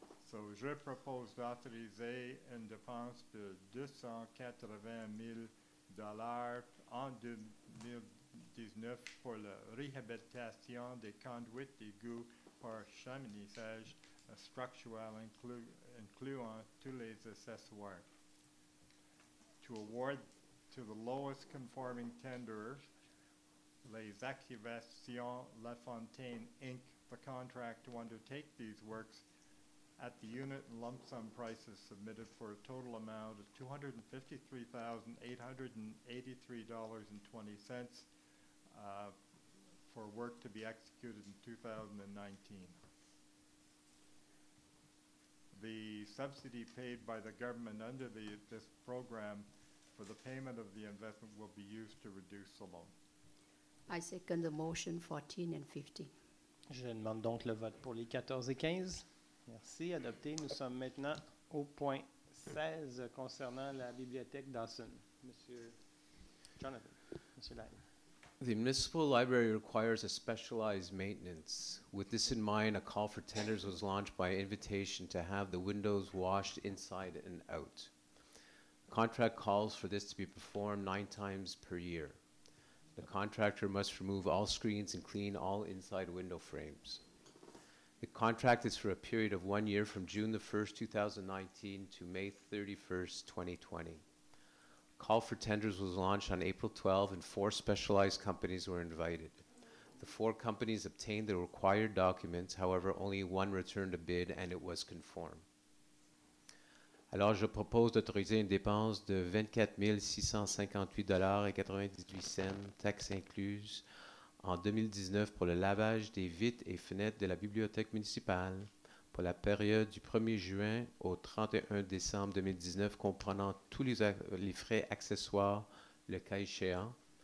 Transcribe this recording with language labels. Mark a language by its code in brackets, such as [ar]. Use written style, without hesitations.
[fr] So je propose d'autoriser une dépense de $280,000 en 2019 pour la réhabilitation des conduites d'égout par chemisage structurel incluant tous les accessoires. [en] To award to the lowest conforming tenderer, Les Activations La Fontaine Inc., the contract to undertake these works at the unit and lump sum prices submitted for a total amount of $253,883.20. For work to be executed in 2019. The subsidy paid by the government under this program for the payment of the investment will be used to reduce the loan. I second the motion 14 and 15. [fr] Je demande donc le vote pour les 14 et 15. Merci, adopté. Nous sommes maintenant au point 16 concernant la bibliothèque Dawson. Monsieur Jonathan, Monsieur Lyle. [en] The municipal library requires a specialized maintenance. With this in mind, a call for tenders was launched by invitation to have the windows washed inside and out. Contract calls for this to be performed 9 times per year. The contractor must remove all screens and clean all inside window frames. The contract is for a period of 1 year from June the 1st, 2019 to May 31st, 2020. Call for tenders was launched on April 12, and four specialized companies were invited. The four companies obtained the required documents, however, only one returned a bid, and it was conformed. [fr] Alors, je propose d'autoriser une dépense de $24,658.98, taxes incluses, en 2019 pour le lavage des vitres et fenêtres de la bibliothèque municipale pour la période du 1er juin au 31 décembre 2019, comprenant tous les frais accessoires, le cas échéant,